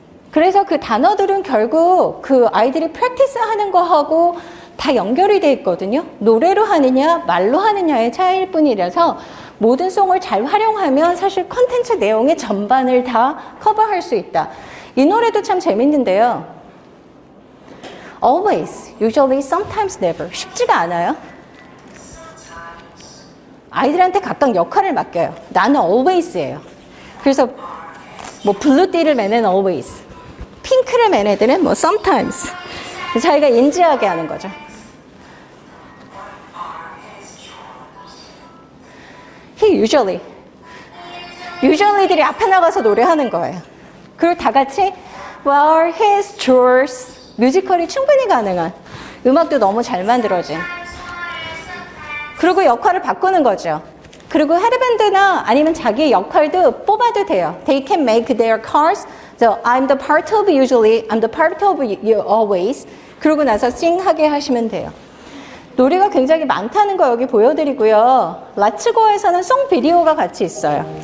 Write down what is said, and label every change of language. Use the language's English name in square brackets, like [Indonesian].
[Korean] 그래서 그 단어들은 결국 그 아이들이 프랙티스 하는 거하고 다 연결이 돼 있거든요. 노래로 하느냐 말로 하느냐의 차이일 뿐이라서 모든 송을 잘 활용하면 사실 컨텐츠 내용의 전반을 다 커버할 수 있다. 이 노래도 참 재밌는데요. [English] Always, usually, sometimes, never. [Korean] 쉽지가 않아요. 아이들한테 각각 역할을 맡겨요. 나는 always예요. 그래서 뭐 블루띠를 매는 always, 핑크를 매는 애들은 뭐 sometimes. 자기가 인지하게 하는 거죠. 유저리들이 앞에 나가서 노래하는 거예요. 그리고 다 같이 [English] What are his chores? [Korean] 뮤지컬이 충분히 가능한, 음악도 너무 잘 만들어진. 그리고 역할을 바꾸는 거죠. 그리고 헤드밴드나 아니면 자기의 역할도 뽑아도 돼요. [English] They can make their cars. So I'm the part of usually, I'm the part of you always. [Korean] 그러고 나서 싱하게 하시면 돼요. 노래가 굉장히 많다는 거 여기 보여드리고요. 라츠고에서는 송 비디오가 같이 있어요.